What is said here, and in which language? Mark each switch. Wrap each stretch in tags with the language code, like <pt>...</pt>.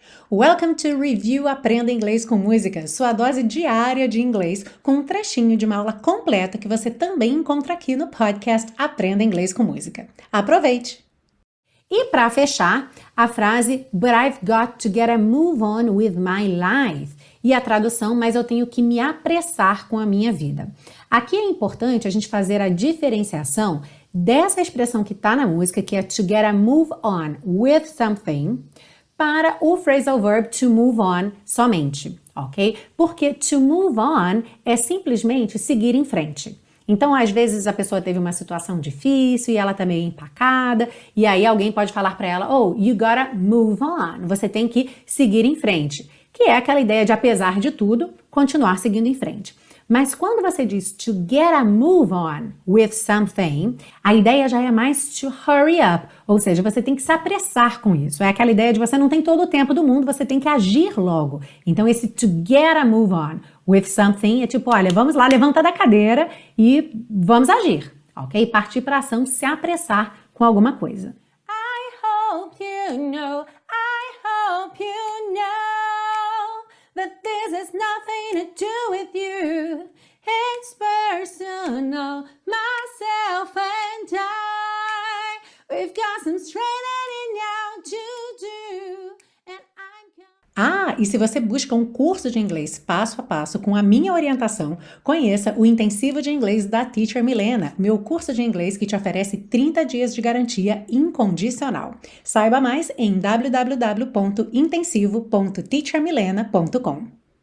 <en>Welcome to Review</en> <pt>Aprenda Inglês com Música, sua dose diária de inglês, com um trechinho de uma aula completa que você também encontra aqui no podcast Aprenda Inglês com Música. Aproveite! E para fechar, a frase,</pt> <en>but I've got to get a move on with my life.</en> <pt>E a tradução, mas eu tenho que me apressar com a minha vida. Aqui é importante a gente fazer a diferenciação dessa expressão que está na música, que é</pt> <en>to get a move on with something,</en> <pt>para o phrasal verb</pt> <en>to move on</en> <pt>somente, ok? Porque</pt> <en>to move on</en> <pt>é simplesmente seguir em frente. Então, às vezes, a pessoa teve uma situação difícil e ela está meio empacada, e aí alguém pode falar para ela, oh,</pt> <en>you gotta move on,</en> <pt>você tem que seguir em frente, que é aquela ideia de, apesar de tudo, continuar seguindo em frente. Mas quando você diz</pt> <en>to get a move on with something,</en> <pt>a ideia já é mais</pt> <en>to hurry up,</en> <pt>ou seja, você tem que se apressar com isso. É aquela ideia de você não tem todo o tempo do mundo, você tem que agir logo. Então esse</pt> <en>to get a move on with something</en> <pt>é tipo, olha, vamos lá, levanta da cadeira e vamos agir, ok? Partir para ação, se apressar com alguma coisa.</pt> <en>I hope you know, I hope you know. But this has nothing to do with you. It's personal, myself and I. We've got some straightening out to do.</en> <pt>Ah, e se você busca um curso de inglês passo a passo com a minha orientação, conheça o Intensivo de Inglês da Teacher Milena, meu curso de inglês que te oferece 30 dias de garantia incondicional. Saiba mais em www.intensivo.teachermilena.com.</pt>